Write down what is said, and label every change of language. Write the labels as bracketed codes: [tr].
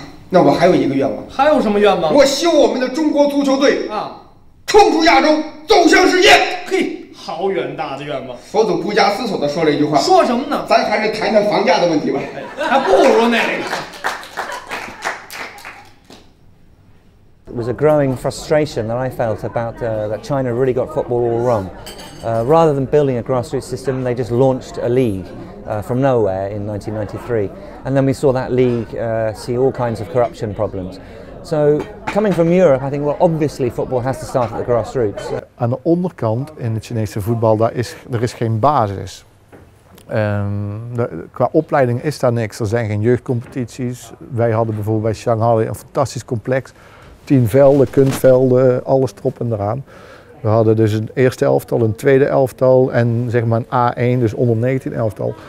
[zh] 那我还有一个愿望。还有什么愿望？我希望我们的中国足球队啊，冲出亚洲，走向世界。嘿，好远大的愿望。佛祖不加思索地说了一句话。说什么呢？咱还是谈谈房价的问题吧。还不如那个。 [en] It was a growing frustration that I felt about that China really got football all wrong. Rather than building a grassroots system, they just launched a league from nowhere in 1993. And then we saw that league see all kinds of corruption problems. So coming from Europe, I think, well, obviously football has to start at the grassroots. [nl] Aan de onderkant in het Chinese voetbal, daar is geen basis. Qua opleiding is daar niks. Er zijn geen jeugdcompetities. Wij hadden bijvoorbeeld bij Shanghai een fantastisch complex. 10 velden, kunstvelden, alles erop en eraan. We hadden dus een eerste elftal, een tweede elftal en zeg maar een A1, dus onder 19 elftal.